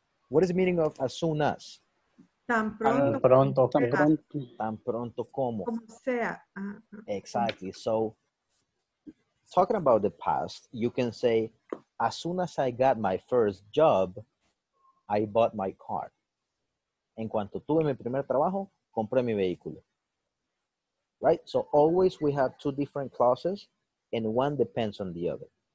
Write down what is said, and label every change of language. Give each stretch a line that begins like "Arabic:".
English: What is the meaning of as soon as?
Spanish: Tan pronto. Tan pronto. Tan pronto. Tan pronto como. Como sea.
English: Exactly. So, talking about the past, you can say, as soon as I got my first job, I bought my car.
Spanish: En cuanto tuve mi primer trabajo, compré mi vehículo.
English: Right? So always we have two different clauses, and one depends on the other.